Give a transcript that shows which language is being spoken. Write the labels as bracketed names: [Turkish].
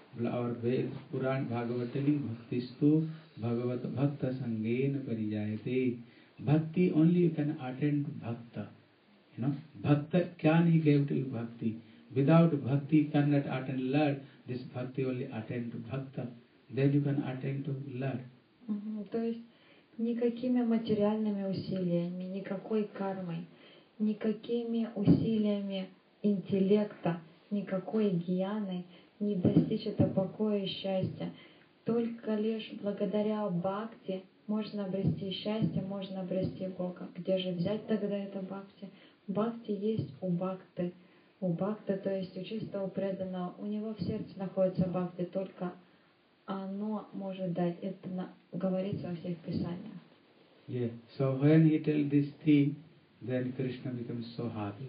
[English] Our Vedas, Puran, Bhagavad telling, [Sanskrit] bhakti stu, bhagavata bhakta sangena parijayate. [English] Bhakti only you can attain to bhakta. You know, bhakta, kyan he gave to you bhakti. Without bhakti cannot attain Lord, this bhakti only attain to bhakta, then you can attain to Lord. [Russian] То есть никакими материальными усилиями, никакой кармой, никакими усилиями интеллекта, никакой гьяны не достичь это покоя и счастья. Только лишь благодаря бхакти можно обрести счастье, можно обрести Бога. Где же взять тогда это бхакти? Бхакти есть у бхакты. У бхакты, то есть у чистого преданного, у него в сердце находится бхакти, только оно может дать. Это говорится во всех писаниях. [English] Yeah. So when he tells this thing, then Krishna becomes so happy.